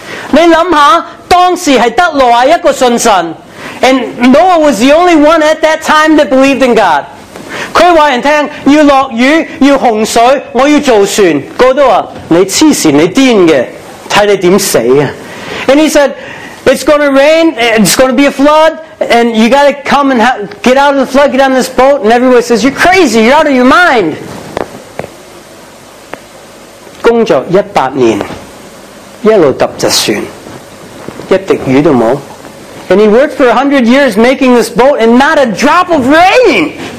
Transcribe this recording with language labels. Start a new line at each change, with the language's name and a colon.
Chinese: 你想想当时是得挪亚一个信神
English: And Noah was the only one at that time that believed in God.
Chinese: 他告诉人家要落雨要洪水我要做船。他都说你痴线你癫的看你怎么死。
English: And he said, it's going to rain, it's going to be a flood, and you got to come and get out of the flood, get on this boat. And everybody says, you're crazy, you're out of your mind.
Chinese: 工作100年一路搭着船一滴雨都没有。
English: And he worked for 100 years making this boat and not a drop of rain.